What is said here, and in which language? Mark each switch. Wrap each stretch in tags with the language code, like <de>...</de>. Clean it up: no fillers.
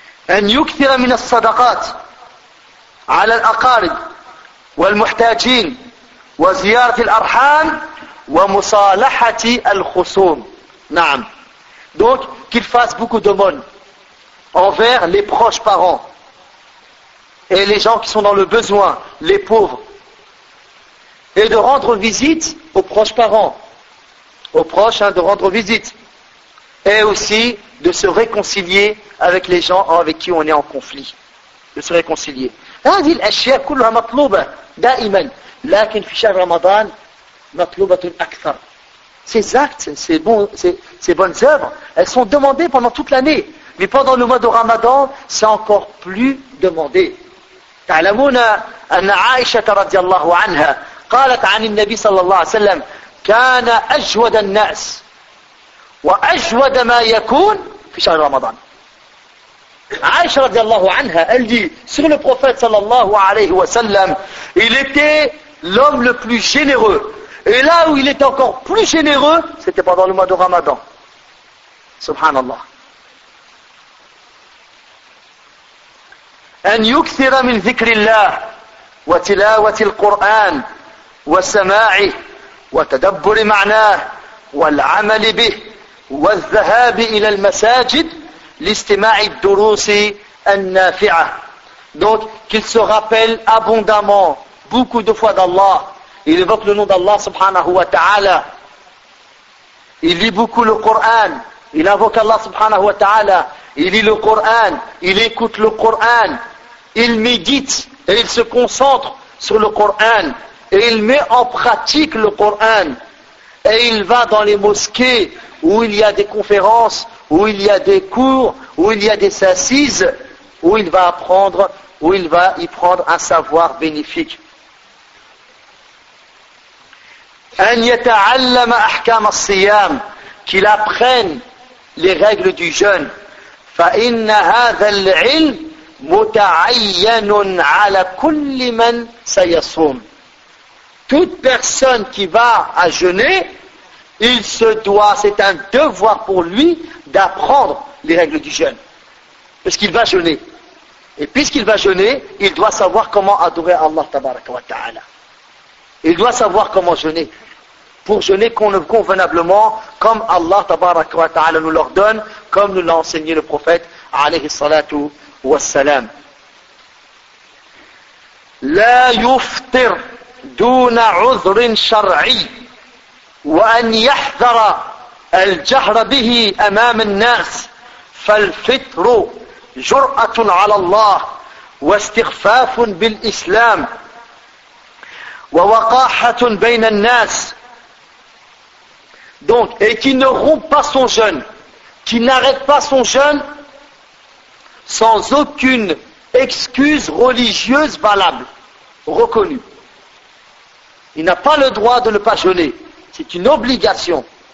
<ar>أن يكثر من الصدقات على الأقارب والمحتاجين وزيارة الأرحام ومصالحة الخصوم. نعم.</ar> <fr>Donc, qu'il fasse beaucoup d'aumônes envers les proches parents et les gens qui sont dans le besoin, les pauvres. Et de rendre visite aux proches parents, aux proches, hein, de rendre visite. Et aussi de se réconcilier avec les gens avec qui on est en conflit. De se réconcilier.</fr> <ar>هذه الأشياء كلها مطلوبة دائما. لكن في شهر رمضان مطلوبة أكثر.</ar> <fr>Ces actes, ces bonnes œuvres, elles sont demandées pendant toute l'année. Mais pendant le mois de Ramadan, c'est encore plus demandé.</fr> <ar>تعلمون أن عائشة رضي الله عنها قالت عن النبي صلى الله عليه وسلم كان أجود الناس وأجود ما يكون في شهر رمضان. عائشة رضي الله عنها قال لي</ar> <fr>sur le prophète</fr> <ar>صلى الله عليه وسلم</ar> <fr>il était l'homme le plus généreux. Et là où il était encore plus généreux, c'était pendant le mois de Ramadan.</fr> <ar>Subhanallah. أن يكثر من ذكر الله وتلاوة القرآن وسماعه وتدبر معناه والعمل به والذهاب إلى المساجد لاستماع الدروس النافعة.</ar> <fr>Donc qu'il se rappelle abondamment, beaucoup de fois d'Allah. Il évoque le nom d'Allah subhanahu wa ta'ala. Il lit beaucoup le Coran. Il invoque Allah subhanahu wa ta'ala. Il lit le Coran. Il écoute le Coran. Il médite et il se concentre sur le Coran. Et il met en pratique le Coran. Et il va dans les mosquées où il y a des conférences, où il y a des cours, où il y a des assises, où il va apprendre, où il va y prendre un savoir bénéfique.</fr> <ar>أن يتعلم أحكام الصيام</ar> <fr>qu'il apprenne les règles du jeûne.</fr> <ar>فإن هذا العلم متعين على كل من سيصوم.</ar> <fr>Toute personne qui va à jeûner, il se doit, c'est un devoir pour lui d'apprendre les règles du jeûne. Parce qu'il va jeûner. Et puisqu'il va jeûner, il doit savoir comment adorer Allah tabaraka wa ta'ala. Il doit savoir comment jeûner. Pour jeûner convenablement, comme Allah tabaraka wa ta'ala nous l'ordonne, comme nous l'a enseigné le prophète, alayhi salatu wa salam.</fr> <ar>La yuftir duna uzrin shar'i. وأن يحذر الجهر به أمام الناس. فالفطر جرأة على الله واستخفاف بالإسلام ووقاحة بين الناس.</ar> <fr>Donc, et qui ne rompt pas son jeûne, qui n'arrête pas son jeûne sans aucune excuse religieuse valable, reconnue. Il n'a pas le droit de ne pas jeûner. C'est une obligation.</fr>